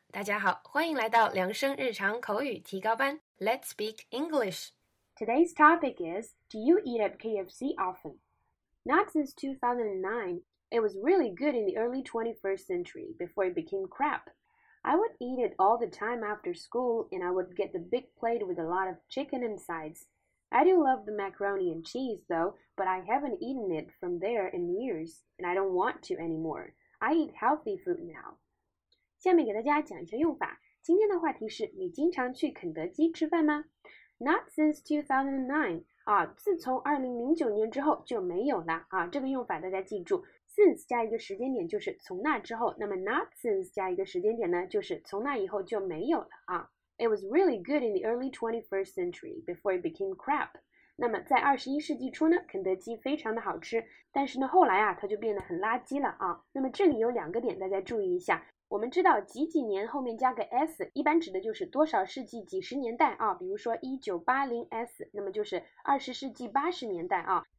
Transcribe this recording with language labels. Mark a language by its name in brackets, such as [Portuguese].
[Chinese] 大家好，欢迎来到量声日常口语提高班。 [English] Let's speak English. Today's topic is, do you eat at KFC often? Not since 2009. It was really good in the early 21st century before it became crap. I would eat it all the time after school and I would get the big plate with a lot of chicken and sides. I do love the macaroni and cheese though, but I haven't eaten it from there in years and I don't want to anymore. I eat healthy food now. [Chinese] 下面给大家讲一下用法。今天的话题是你经常去肯德基吃饭吗？ [English] Not since 2009. [Chinese] 自从2009年之后就没有了。这个用法大家记住。Since 加一个时间点就是从那之后。那么 not since 加一个时间点呢就是从那以后就没有了。 [English] It was really good in the early 21st century before it became crap. [Chinese] 那么在21世纪初呢肯德基非常的好吃但是呢后来啊它就变得很垃圾了啊。那么这里有两个点大家注意一下。我们知道几几年后面加个 S, 一般指的就是多少世纪几十年代啊比如说 1980S, 那么就是20世纪80年代啊。